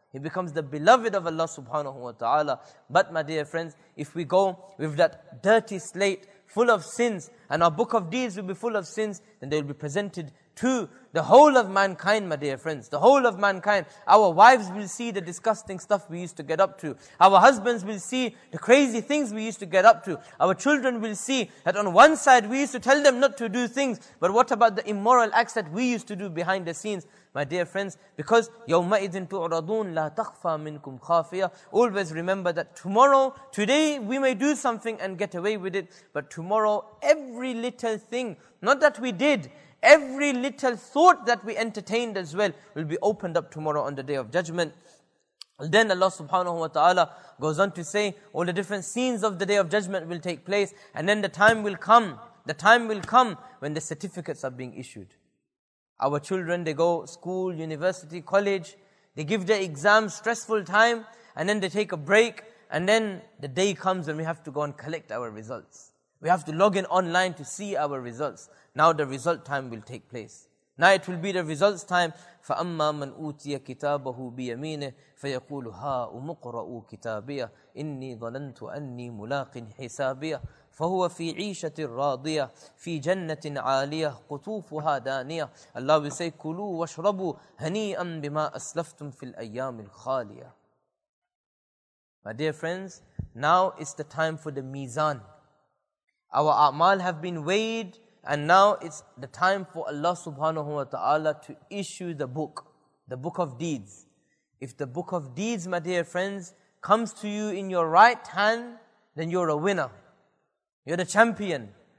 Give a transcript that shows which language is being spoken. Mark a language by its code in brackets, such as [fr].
[en] He becomes the beloved of Allah subhanahu wa ta'ala. But my dear friends, if we go with that dirty slate full of sins, and our book of deeds will be full of sins, then they will be presented to the whole of mankind, my dear friends. The whole of mankind. Our wives will see the disgusting stuff we used to get up to. Our husbands will see the crazy things we used to get up to. Our children will see that on one side we used to tell them not to do things, but what about the immoral acts that we used to do behind the scenes? My dear friends, because [ar] يَوْمَئِذٍ تُعْرَضُونَ لَا تَخْفَى مِنْكُمْ خَافِيَةً. [en] Always remember that tomorrow, today we may do something and get away with it, but tomorrow every little thing, not that we did, every little thought that we entertained as well will be opened up tomorrow on the Day of Judgment. Then Allah subhanahu wa ta'ala goes on to say, all the different scenes of the Day of Judgment will take place, and then the time will come when the certificates are being issued. Our children, they go school, university, college, they give their exams, stressful time, and then they take a break, and then the day comes when we have to go and collect our results. We have to log in online to see our results. Now the result time will take place. Now it will be the results time. [ar] فَأَمَّا مَنْ أُوتِيَ كِتَابَهُ بِيَمِينِهِ فَيَقُولُ هَا أُمُقْرَأُ كِتَابِيَهِ إِنِّي ظَنَنْتُ أَنِّي مُلَاقٍ حِسَابِيَهِ فَهُوَ فِي عِيشَةٍ رَاضِيَةٍ فِي جَنَّةٍ عَالِيَةٍ قُطُوفُهَا دَانِيَةٍ. [en] Allah will say, [ar] كُلُوا وَاشْرَبُوا هَنِيئًا بِمَا أَسْلَفْتُمْ فِي الْأَيَّامِ الْخَالِيَةِ. [en] My dear friends, now is the time for the mizan. Our a'mal have been weighed, and now it's the time for Allah subhanahu wa ta'ala to issue the book of deeds. If the book of deeds, my dear friends, comes to you in your right hand, then you're a winner. You're the champion.